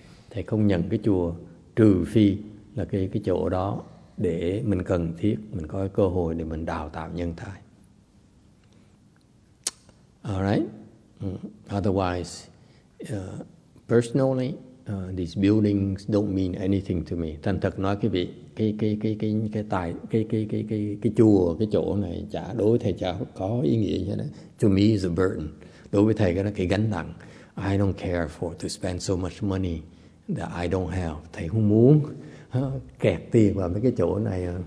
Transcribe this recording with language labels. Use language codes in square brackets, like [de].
[vi] Thầy không nhận cái chùa trừ phi là cái chỗ đó để mình cần thiết, mình có cái cơ hội để mình đào tạo nhân tài. [en] All right. Otherwise, personally, these buildings don't mean anything to me. [vi] Thành thật nói quý vị, cái chùa, cái chỗ này chả đối với thầy chả có ý nghĩa gì hết. [en] To me is a burden. [vi] Đối với thầy cái đó cái gánh nặng. [en] I don't care for to spend so much money that I don't have. [vi] Thầy không muốn kẹt tiền vào mấy cái chỗ này.